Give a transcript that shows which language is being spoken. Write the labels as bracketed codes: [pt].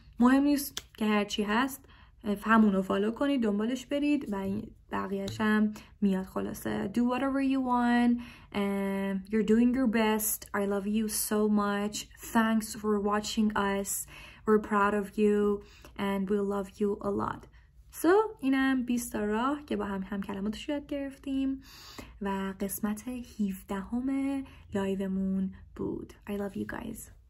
[fa] مهم نیست که هرچی هست همونو فالو کنید, دنبالش برید و بقیهش هم میاد. خلاصه, [en] do whatever you want and you're doing your best. I love you so much, thanks for watching us, we're proud of you and we love you a lot. [fa] So اینم 20 راه که با هم کلماتش یاد گرفتیم و قسمت 17 همه لایومون بود. [en] I love you guys.